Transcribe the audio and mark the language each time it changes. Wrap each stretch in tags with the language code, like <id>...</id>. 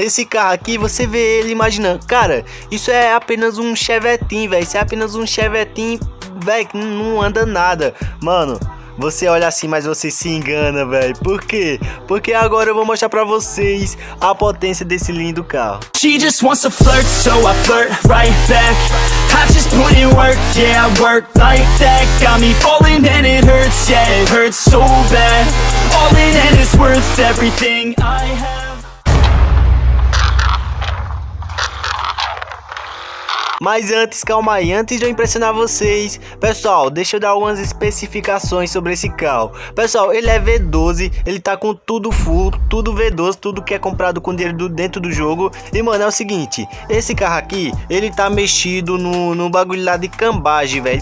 <pt>Esse carro aqui, você vê ele imaginando. Cara, isso é apenas um Chevetinho, velho. Isso é apenas um Chevetinho, velho, que não anda nada. Mano, você olha assim, mas você se engana, velho. Por quê? Porque agora eu vou mostrar pra vocês a potência desse lindo carro.</pt> <en>She just wants to flirt, so I flirt right back. I just put in work, yeah, work like that. Got me falling and it hurts, yeah, it hurts so bad. Falling and it's worth everything I have.</en> <pt>Mas antes, calma aí, antes de eu impressionar vocês, pessoal, deixa eu dar algumas especificações sobre esse carro. Pessoal, ele é V12, ele tá com tudo full, tudo V12, tudo que é comprado com dinheiro dentro do jogo. E, mano, é o seguinte, esse carro aqui, ele tá mexido no bagulho lá de cambagem, velho.</pt>